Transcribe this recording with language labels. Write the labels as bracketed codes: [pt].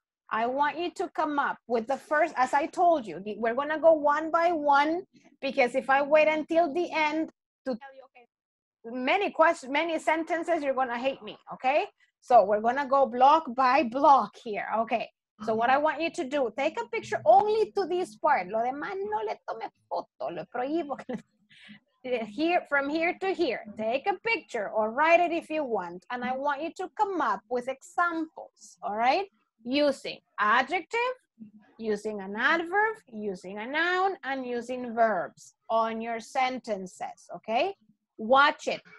[en] I want you to come up with the first, as I told you, we're going to go one by one, because if I wait until the end to tell you, okay, many questions, many sentences, you're going to hate me, okay? So we're going to go block by block here, okay? So what I want you to do, take a picture only to this part. [es] Lo demás no le tome foto, lo prohíbo. [en] Here, from here to here, take a picture or write it if you want, and I want you to come up with examples, all right? Using adjective, using an adverb, using a noun, and using verbs on your sentences, okay? Watch it.